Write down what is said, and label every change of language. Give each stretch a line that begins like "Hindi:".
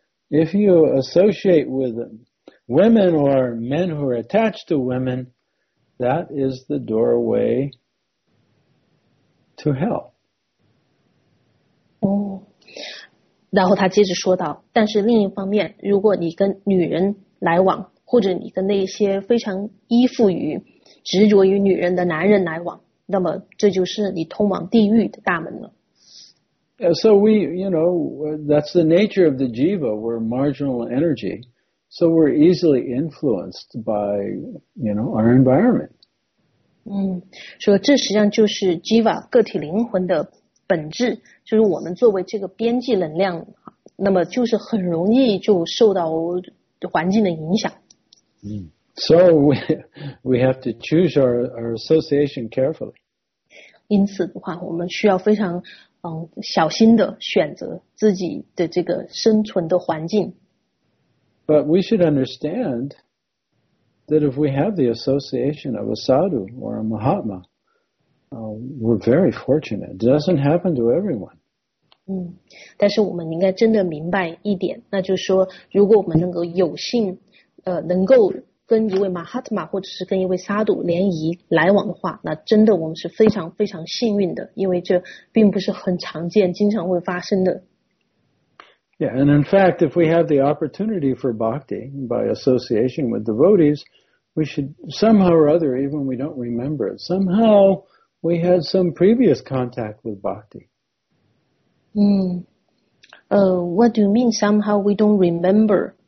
English: If you associate with women or men who are attached to women, that is the doorway to hell.
Chinese: 然后他接着说道，但是另一方面，如果你跟女人来往，或者你跟那些非常依附于、执着于女人的男人来往，那么这就是你通往地狱的大门了。
English: So we, you know, that's the nature of the jiva. We're marginal energy, so we're easily influenced by, you know, our environment.
Chinese: 说这实际上就是 jiva 个体灵魂的本质，就是我们作为这个边际能量，那么就是很容易就受到环境的影响。
English: So we have to choose our association carefully.
Chinese: 因此的话，我们需要非常。小心的选择自己的这个生存的环境。
English: But we should understand that if we have the association of a sadhu or a mahatma, we're very fortunate. It doesn't happen to everyone.
Chinese: 但是我们应该真的明白一点，那就是说，如果我们能够有幸，能够跟一位mahatma或者是跟一位萨杜联谊来往的话，那真的我们是非常非常幸运的，因为这并不是很常见经常会发生的。
English: Yeah, and in fact, if we have the opportunity for bhakti by association with devotees, we should somehow or other, even when we don't remember it, somehow we had some previous contact with bhakti. What do you mean, somehow we don't remember?